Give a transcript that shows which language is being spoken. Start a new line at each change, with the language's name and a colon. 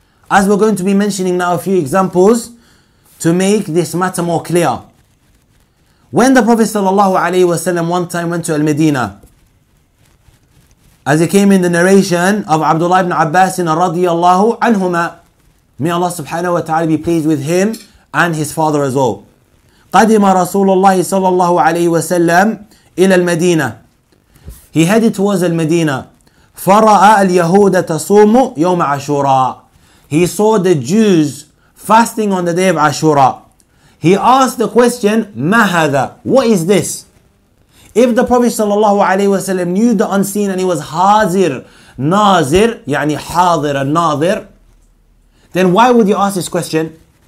English: As we're going to be mentioning now a few examples to make this matter more clear. When the Prophet sallallahu alayhi wa sallam one time went to Al-Medina, as it came in the narration of Abdullah ibn Abbas radiyallahu anhuma, may Allah subhanahu wa ta'ala be pleased with him and his father as well.
Arabic: قدم رسول الله صلى الله عليه وسلم إلى المدينة.
English: He headed towards
Arabic: المدينة. فرأى اليهود تصوم يوم عاشوراء.
English: He saw the Jews fasting on the day of Ashura. He asked the question,
Arabic: ما هذا?
English: What is this? If the Prophet صلى الله عليه وسلم knew the unseen and he was
Arabic: حاضر ناظر, يعني حاضر الناظر,
English: then why would you ask this question?